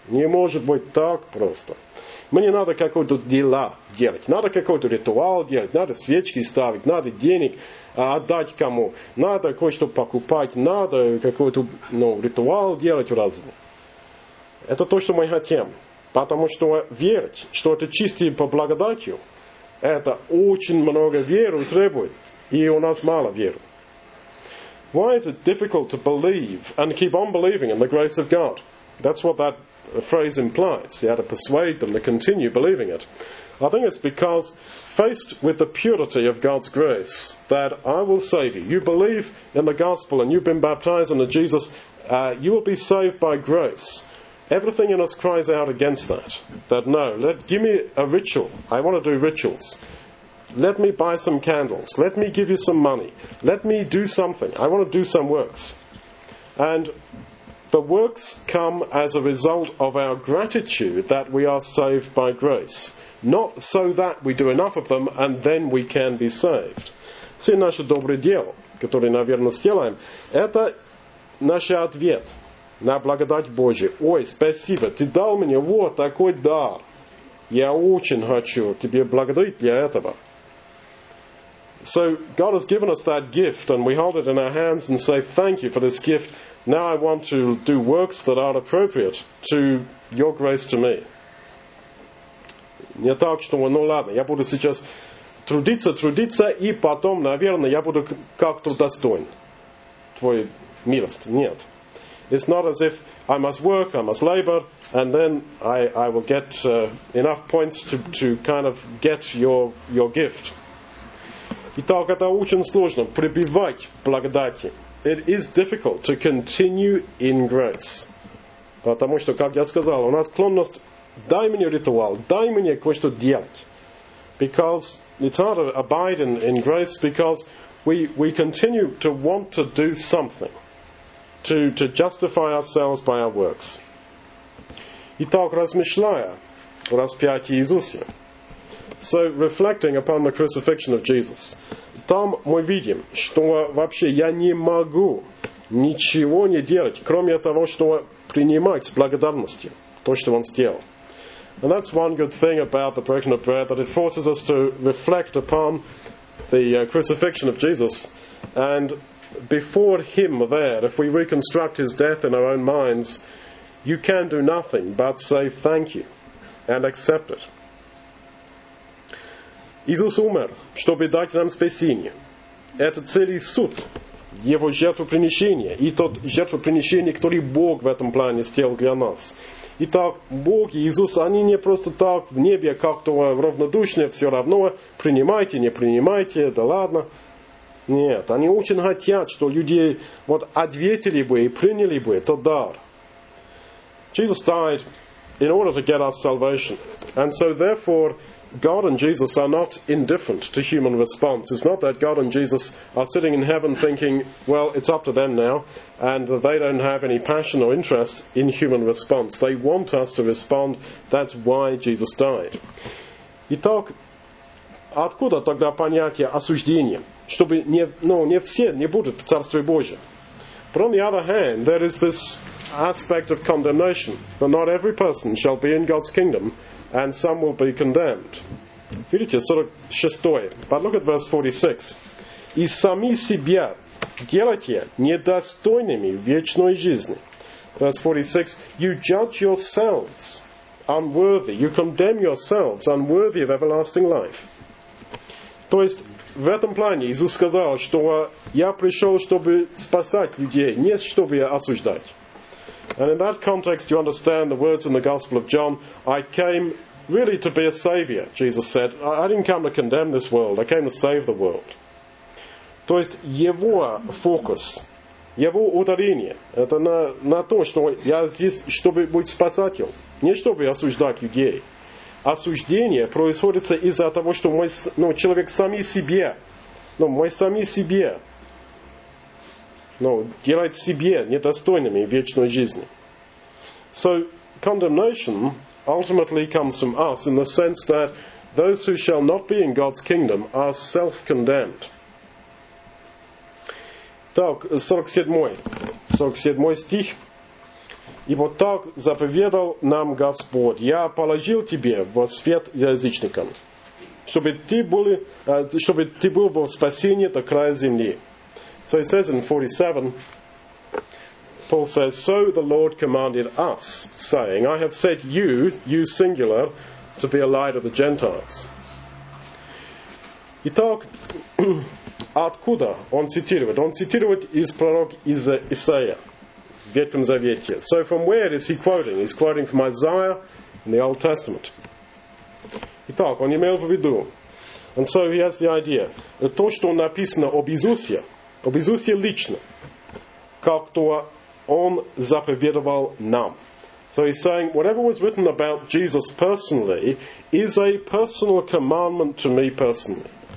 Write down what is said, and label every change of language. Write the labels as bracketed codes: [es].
[ru] Не может быть так просто. Мне надо какое-то дело делать, надо какой-то ритуал делать, надо свечки ставить, надо денег отдать кому, надо кое-что покупать, надо какой-то, ну, ритуал делать разве. Это то, что мы хотим. Потому что верить, что это чистое по благодатью, это очень много веры требует, и у нас мало веры. [en] Why is it difficult to believe and keep on believing in the grace of God? That's what that phrase implies. You had to persuade them to continue believing it. I think it's because faced with the purity of God's grace, that I will save you. You believe in the gospel and you've been baptized into Jesus, you will be saved by grace. Everything in us cries out against that. That no, give me a ritual. I want to do rituals. Let me buy some candles. Let me give you some money. Let me do something. I want to do some works. And But works come as a result of our gratitude that we are saved by grace, not so that we do enough of them and then we can be saved. [ru] Все наши добрые дела, которые, наверное, сделаем, это наш ответ на благодать Божию. Ой, спасибо, ты дал мне вот такой дар. Я очень хочу тебе благодарить для этого. [en] So God has given us that gift and we hold it in our hands and say thank you for this gift. Now I want to do works that are appropriate to your grace to me. [ru] Не так, что, ну ладно, я буду сейчас трудиться, и потом, наверное, я буду как-то достоин твоей милости. Нет. [en] It's not as if I must work, I must labor, and then I will get enough points to kind of get your gift. [ru] Итак, это очень сложно, пребывать в благодати. [en] It is difficult to continue in grace. [ru] Потому что, как я сказал, у нас склонность, дай мне ритуал, дай мне кое-что делать. [en] Because it's hard to abide in grace because we continue to want to do something to justify ourselves by our works. [ru] Итак, размышляя о распятии Иисуса. [en] So reflecting upon the crucifixion of Jesus. [ru] Там мы видим, что вообще я не могу ничего не делать, кроме того, что принимать с благодарностью то, что Он сделал. [en] And that's one good thing about the breaking of bread, that it forces us to reflect upon the crucifixion of Jesus. And before Him there, if we reconstruct His death in our own minds, you can do nothing but say thank you and accept it. [ru] Иисус умер, чтобы дать нам спасение. Это целый суд Его жертвопринесения и тот жертвопринесение, который Бог в этом плане сделал для нас. Итак, Бог и Иисус, они не просто так в небе как-то равнодушны, все равно, принимайте, не принимайте, да ладно. Нет, они очень хотят, что люди вот ответили бы и приняли бы этот дар. [en] Jesus died in order to get our salvation. And so therefore, God and Jesus are not indifferent to human response. It's not that God and Jesus are sitting in heaven thinking, well, it's up to them now, and they don't have any passion or interest in human response. They want us to respond. That's why Jesus died. [ru] Итак, откуда тогда понятие осуждения? Чтобы не, ну, не все не будут в Царстве Божьем. [en] But on the other hand, there is this aspect of condemnation, that not every person shall be in God's kingdom, and some will be condemned. [ru] Видите, 46. [en] But look at verse 46. [ru] И сами себя делайте недостойными вечной жизни. [en] Verse 46. You judge yourselves unworthy. You condemn yourselves unworthy of everlasting life. [ru] То есть, в этом плане Иисус сказал, что я пришел, чтобы спасать людей, не чтобы осуждать. [en] And in that context, you understand the words in the Gospel of John, I came really to be a savior, Jesus said. I didn't come to condemn this world, I came to save the world. [ru] То есть его фокус, его ударение, это на то, что я здесь, чтобы быть спасателем, не чтобы осуждать людей. Осуждение происходит из-за того, что мы, ну, человек сами себе, ну, мы сами себе, ну, делает себе недостойными вечной жизни. [en] So, condemnation ultimately comes from us in the sense that those who shall not be in God's kingdom are self-condemned. [ru] Так, 47 стих. И вот так заповедал нам Господь. Я положил тебе во свет язычникам, чтобы ты был во спасении до края земли. [en] So he says in 47, Paul says, so the Lord commanded us, saying, I have set you, you singular, to be a light of the Gentiles. [ru] Итак, откуда он цитирует? Он цитирует из пророка Исаия в Ветхом Завете. [en] So from where is he quoting? He's quoting from Isaiah in the Old Testament. [ru] Итак, он имел в виду. [en] And so he has the idea. [ru] То, что написано об Иисусе лично, как-то Он заповедовал нам. [en] So he's saying, whatever was written about Jesus personally is a personal commandment to me personally.